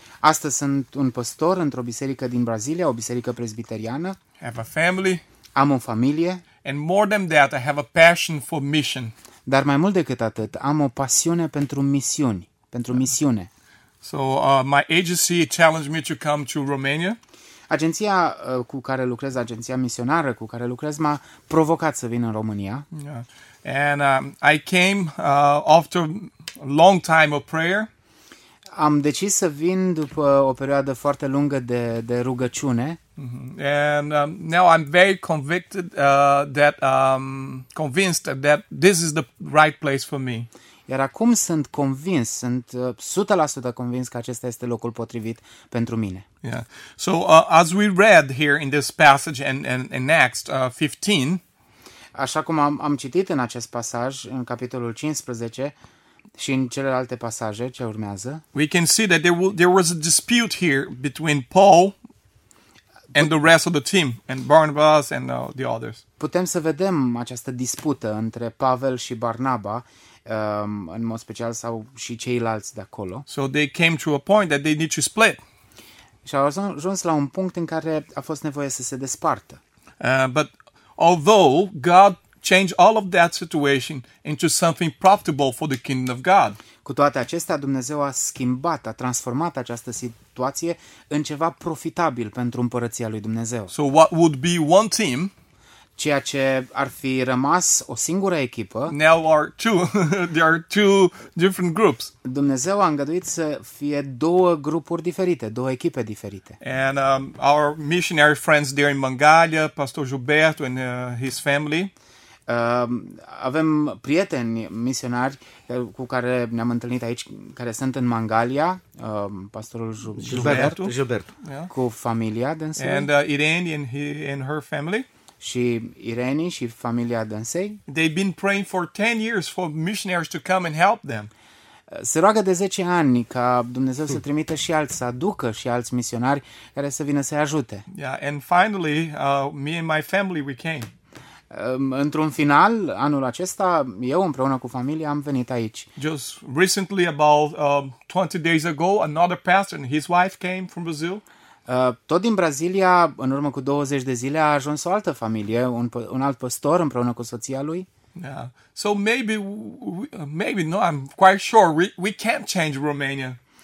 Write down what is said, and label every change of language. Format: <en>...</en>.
<ro>Astăzi sunt un pastor într-o biserică din Brazilia, o biserică presbiteriană.</ro> <en>Have a family.</en> <ro>Am o familie.</ro> <en>And more than that, I have a passion for mission.</en> <ro>Dar mai mult decât atât, am o pasiune pentru misiuni, pentru misiune.</ro> <en>So, my agency challenged me to come to Romania.</en> <ro>Agenția cu care lucrez, agenția misionară cu care lucrez, m-a provocat să vin în România.</ro> <en>Yeah. And I came after a long time of prayer.</en> <ro>Am decis să vin după o perioadă foarte lungă de rugăciune. Mm-hmm.</ro> <en>And now I'm very convinced that this is the right place for me.</en> <ro>Iar acum sunt convins, sunt 100% convins că acesta este locul potrivit pentru mine.</ro> <en>Yeah. So as we read here in this passage and Acts 15,</en> <ro>așa cum am citit în acest pasaj în capitolul 15 și în celelalte pasaje ce urmează,</ro> <en>we can see that there was a dispute here between Paul and the rest of the team and Barnabas and the others.</en> <ro>Putem să vedem această dispută între Pavel și Barnaba, în mod special sau și ceilalți de acolo.</ro> <en>So they came to a point that they need to split.</en> <ro>Și au ajuns la un punct în care a fost nevoie să se despartă.</ro> <en>But although God changed all of that situation into something profitable for the kingdom of God.</en> <ro>Cu toate acestea, Dumnezeu a schimbat, a transformat această situație în ceva profitabil pentru împărăția lui Dumnezeu.</ro> <en>So what would be one team?</en> <ro>Ceea ce ar fi rămas o singură echipă.</ro> <en>Now are two. There are two different groups.</en> <ro>Dumnezeu a îngăduit să fie două grupuri diferite, două echipe diferite.</ro> <en>And our missionary friends there in Mongolia, Pastor Gilberto and his family.</en> <ro>Avem prieteni misionari cu care ne-am întâlnit aici, care sunt în Mongolia, pastorul Gilberto.</ro> <en>Yeah.</en> <ro>Cu familia dânsă.</ro> <en>And Irene and her family.</en> <ro>Și Irene și familia dânsei.</ro> <en>They've been praying for 10 years for missionaries to come and help them.</en> <ro>Se roagă de 10 ani ca Dumnezeu să trimită și alți, să aducă și alți misionari care să vină să-i ajute.</ro> <en>Yeah, and finally, me and my family we came.</en> <ro>Într-un final, anul acesta, eu împreună cu familia am venit aici.</ro> <en>Just recently, about 20 days ago, another pastor and his wife came from Brazil.</en> <ro>Tot din Brazilia, în urmă cu 20 de zile, a ajuns o altă familie, un alt păstor împreună cu soția lui.</ro> <en>Yeah. So maybe no, I'm quite sure we can't change Romania.</en>